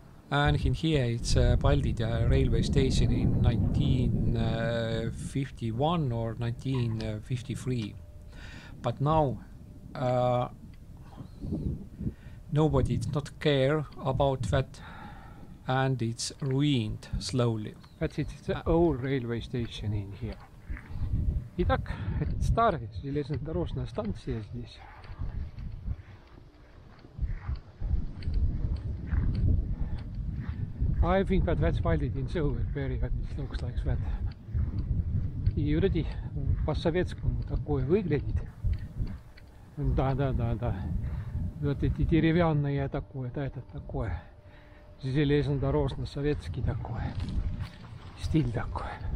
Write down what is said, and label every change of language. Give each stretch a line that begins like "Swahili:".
English: And in here it's Paldi railway station in 1951 or 1953. But now nobody does not care about that and it's ruined slowly. That's it, it's the old railway station in here.
Russian: Итак, это старая железнодорожная станция здесь.
English: I think that that's why it didn't show it very good. It looks like that.
Russian: И вот эти по советскому такое выглядит. Да, да, да, да. Вот эти деревянные такое, да, это такое. Железнодорожно-советский такой. Стиль такой.